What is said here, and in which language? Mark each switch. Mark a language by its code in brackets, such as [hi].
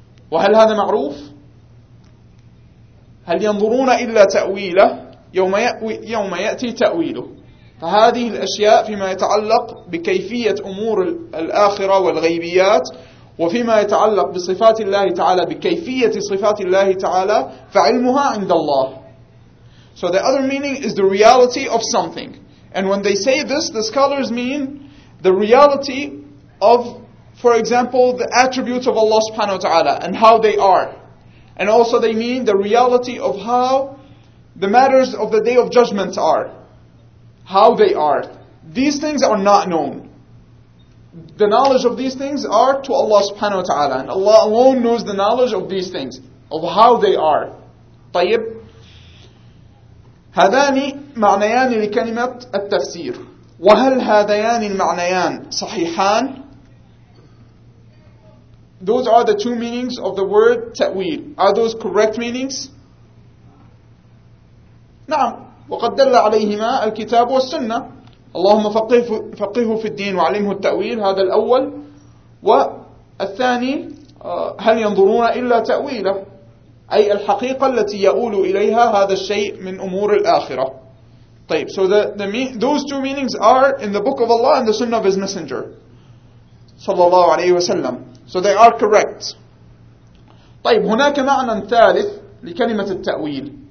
[ar] وهل هذا معروف؟ هل ينظرون إلا تأويله يوم يأتي تأويله؟ فهذه الأشياء فيما يتعلق بكيفية أمور الآخرة والغيبيات، وفيما يتعلق بصفات الله تعالى بكيفية صفات الله تعالى فعلمها عند الله. [en] So the other meaning is the reality of something. And when they say this, the scholars mean the reality of, for example, the attributes of Allah subhanahu wa ta'ala and how they are. And also they mean the reality of how the matters of the Day of Judgment are. How they are. These things are not known. The knowledge of these things are to Allah subhanahu wa ta'ala, and Allah alone knows the knowledge of these things, of how they are. [ar] طيب هذان معنيان لكلمة التفسير. وهل هذيان المعنيان صحيحان؟ [en] Those are the two meanings of the word تأويل. Are those correct meanings? [ar] نعم. وقد دل عليهما الكتاب والسنة. اللهم فقهه في الدين وعلمه التأويل. هذا الأول. والثاني هل ينظرون إلا تأويله؟ أي الحقيقة التي يؤول إليها هذا الشيء من أمور الآخرة. طيب. [en] So those two meanings are in the book of Allah and the sunnah of His messenger. [ar] صلى الله عليه وسلم. [en] So they are correct. [ar] طيب هناك معنى ثالث لكلمة التأويل.